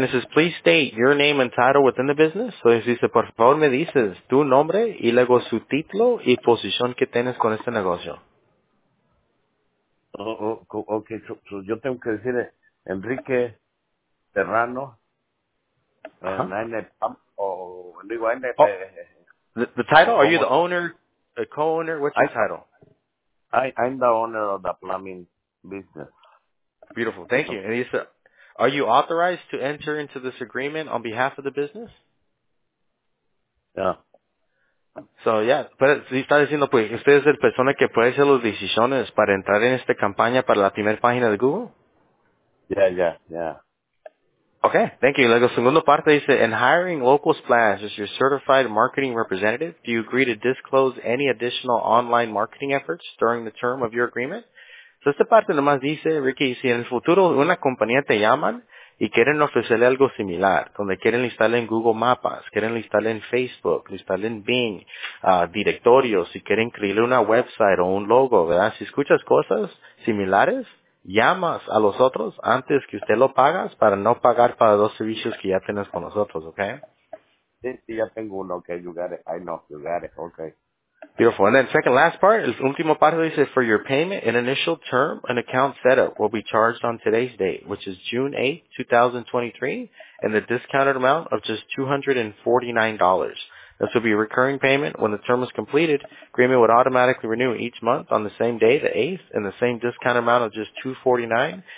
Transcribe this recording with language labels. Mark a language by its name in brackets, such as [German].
[English] And it says, please state your name and title within the business. So it says, [Spanish] por favor, me dices tu nombre y luego su título y posición que tienes con este negocio. Okay. So yo tengo que decir Enrique Serrano. [English] The title? Are you the owner, the co-owner? What's your title? I'm the owner of the plumbing business. Beautiful. Thank you. And he said, are you authorized to enter into this agreement on behalf of the business? Yeah. So, yeah. [Spanish] Pero si está diciendo, pues, usted es la persona que puede hacer las decisiones para entrar en esta campaña para la primera página de Google? [English] Yeah. Okay, thank you. [Spanish] Luego, segundo parte dice, [English] in hiring Local Splash as your certified marketing representative, do you agree to disclose any additional online marketing efforts during the term of your agreement? [Spanish] So, esta parte nomás dice, Ricky, si en el futuro una compañía te llaman y quieren ofrecerle algo similar, donde quieren listarle en Google Maps, quieren listarle en Facebook, listarle en Bing, directorios, si quieren crearle una website o un logo, ¿verdad? Si escuchas cosas similares, llamas a los otros antes que usted lo pagas para no pagar para dos servicios que ya tienes con nosotros, okay? Sí, ya tengo uno, [English] okay, you got it, I know, you got it, okay. Beautiful, and then second last part, [Spanish] el último parte dice, [English] for your payment, an initial term, an account setup will be charged on today's date, which is June 8, 2023, and the discounted amount of just $249. This will be a recurring payment. When the term is completed, agreement would automatically renew each month on the same day, the 8th, and the same discount amount of just $249.